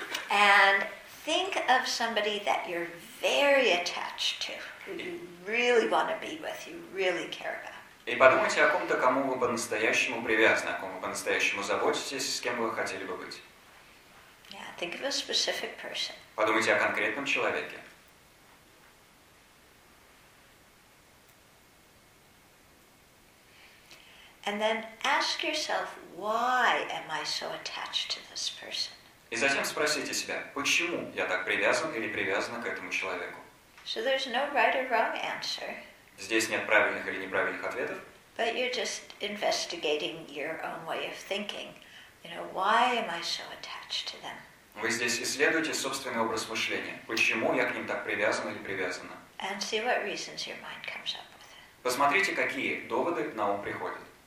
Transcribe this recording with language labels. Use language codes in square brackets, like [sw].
[en] And think of somebody that you're very attached to, who you really want to be with, you really care about. [ru] И подумайте о ком-то, кому вы по-настоящему привязаны, о ком вы по-настоящему заботитесь, с кем вы хотели бы быть. [en] Yeah, think of a specific person. [ru] Подумайте о конкретном человеке. [en] And then ask yourself, why am I so attached to this person? [ru] И затем спросите себя, почему я так привязан или привязана к этому человеку? [en] So there's no right or wrong answer. [ru] Здесь нет правильных или неправильных ответов. [en] But you're just investigating your own way of thinking. You know, why am I so attached to them? [ru] Вы здесь исследуете собственный образ мышления. Почему я к ним так привязан или привязана? [en] And see what reasons your mind comes up with. [ru] Посмотрите, какие доводы на ум приходят.